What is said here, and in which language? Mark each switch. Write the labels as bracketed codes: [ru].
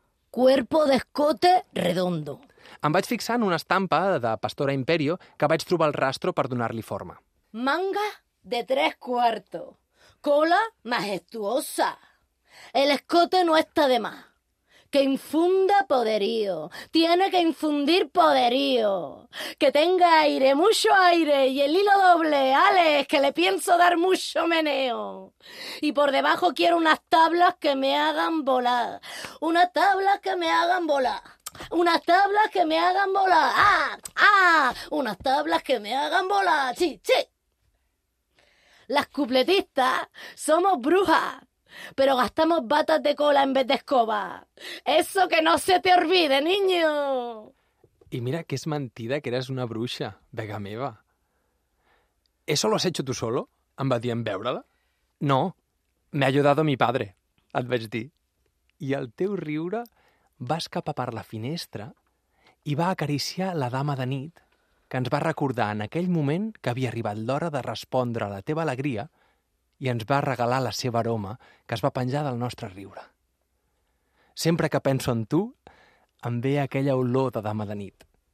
[es] Cuerpo de escote redondo. [ca] Em vaig fixar en una estampa de Pastora Imperio que vaig trobar el rastro per donar-li forma. [es] Manga de tres cuartos. Cola majestuosa. El escote no está de más. Que infunda poderío. Tiene que infundir poderío. Que tenga aire, mucho aire. Y el hilo doble, Alex, que le pienso dar mucho meneo. Y por debajo quiero unas tablas que me hagan volar. Una tabla que me hagan volar. Unas tablas que me hagan volar. ¡Ah! ¡Ah! Unas tablas que me hagan volar. ¡Sí, sí! Las cupletistas somos brujas, pero gastamos batas de cola en vez de escoba. ¡Eso que no se te olvide, niño! Y mira que es mentida que eres una bruja, Vega meva. ¿Eso lo has hecho tú solo? ¿Em va dir en veure-la? No, me ha ayudado mi padre, et vaig dir. [ca] I el teu riure... Va escapar per la finestra i va acariciar la dama de nit, que ens va recordar en aquell moment que havia arribat l'hora de respondre a la teva alegria i ens va regalar la seva aroma, que es va penjar del nostre riure. Sempre que penso en tu, em ve aquella olor de dama de nit.